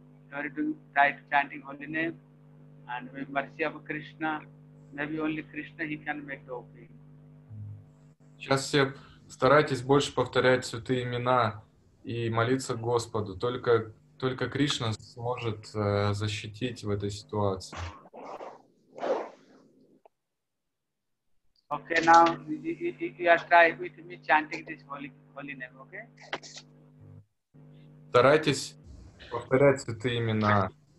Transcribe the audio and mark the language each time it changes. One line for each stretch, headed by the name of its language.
English: You are to try to chanting holy name and with mercy of Krishna, maybe only Krishna he can make the opening.
Russian: Сейчас все старайтесь больше повторять святые имена и молиться Господу. Только Кришна сможет защитить в этой ситуации.
English: Okay, now you are try with me chanting this holy name, okay?
Russian: Старайтесь повторять святые имена.